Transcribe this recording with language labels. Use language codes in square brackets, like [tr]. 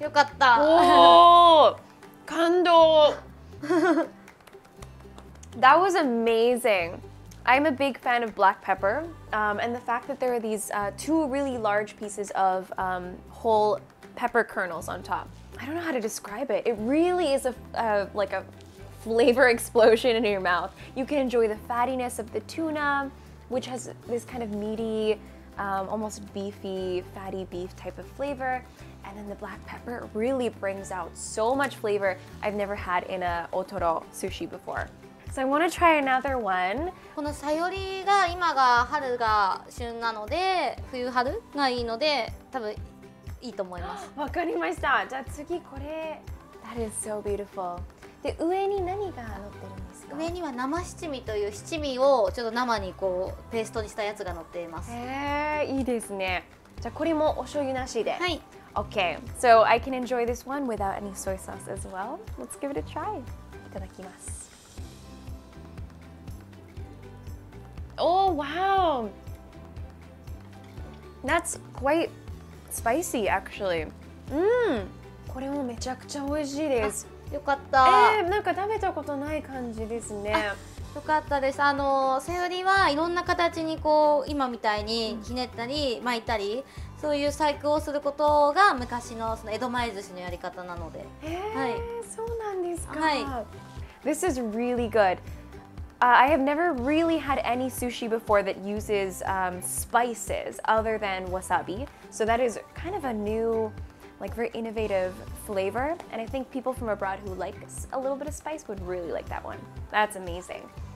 [ja] めちゃくちゃうまいです。あ、よかった。おお、感動。 [en] That was amazing. I'm a big fan of black pepper, and the fact that there are these two really large pieces of whole pepper kernels on top. I don't know how to describe it. It really is like a flavor explosion in your mouth. You can enjoy the fattiness of the tuna, which has this kind of meaty, almost beefy, fatty beef type of flavor. And then the black pepper really brings out so much flavor I've never had in a otoro sushi before. So I want to try another one. [ja] このサヨリが今が春が旬なので、冬春がいいので、多分いいと思います。わかりました。じゃあ次これ。 [en] That is so beautiful. [ja] で、上に何が乗ってるんですか？上には生七味という七味をちょっと生にこうペーストにしたやつが乗っています。へー、いいですね。じゃあこれもお醤油なしで。はい。 [en] Okay, so I can enjoy this one without any soy sauce as well. Let's give it a try. [ja] いただきます。 [en] Oh, wow! That's quite spicy, actually. Mmm! [ja] これもめちゃくちゃ美味しいです。あ、よかった。なんか食べたことない感じですね。よかったです。セオリはいろんな形にこう、今みたいにひねったり、巻いたり、そういう細工をすることが昔のその江戸前寿司のやり方なので。はい、そうなんですか。はい。 [en] This is really good. I have never really had any sushi before that uses spices other than wasabi. So that is kind of a new, like very innovative flavor. And I think people from abroad who like a little bit of spice would really like that one. That's amazing.